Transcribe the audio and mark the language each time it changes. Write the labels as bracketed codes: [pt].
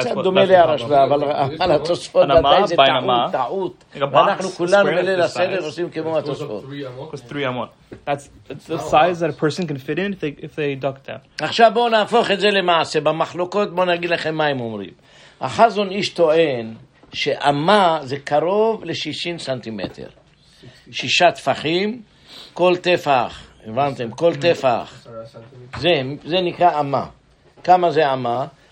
[he] קצת דומה להרשב"א, אבל על התוספות מתי זה טעות, טעות. ואנחנו כולנו בליל הסדר עושים כמו התוספות. [en] It's three amot. That's the size that a person can fit in if they duck down. [he] עכשיו בואו נהפוך את זה למעשה. במחלוקות בואו נגיד לכם מה הם אומרים. החזון איש טוען שאמה זה קרוב ל-60 סנטימטר. שישה טפחים, כל טפח, הבנתם? כל טפח. זה נקרא אמה. כמה זה אמה?